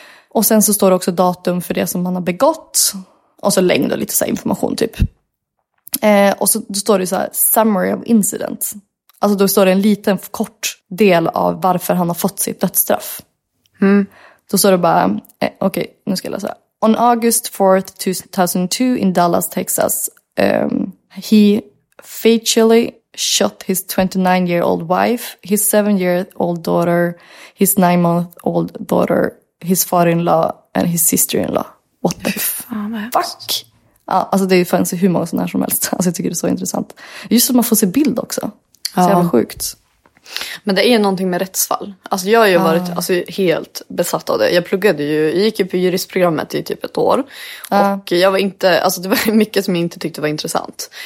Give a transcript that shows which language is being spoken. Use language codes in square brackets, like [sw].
[sv] Och sen så står det också datum för det som han har begått. Och så längd och lite så här information typ. Och så då står det så här [en] summary of incident. [sv] Alltså då står det en liten kort del av varför han har fått sitt dödsstraff. Mm. Då står det bara, okej, nu ska jag läsa. [en] On August 4th, 2002 in Dallas, Texas, he fatally shot his 29-year-old wife, his 7-year-old daughter, his 9-month-old daughter, his father-in-law and his sister-in-law. What the fuck? [sv] Ja, alltså det fanns hur många sådana här som helst. Alltså jag tycker det är så intressant. Just att man får se bild också. Så jävla sjukt. Men det är någonting med rättsfall. Alltså jag har ju varit alltså helt besatt av det. Jag pluggade ju, jag gick ju på juristprogrammet i typ ett år. Och jag var inte, alltså det var mycket som jag inte tyckte var intressant.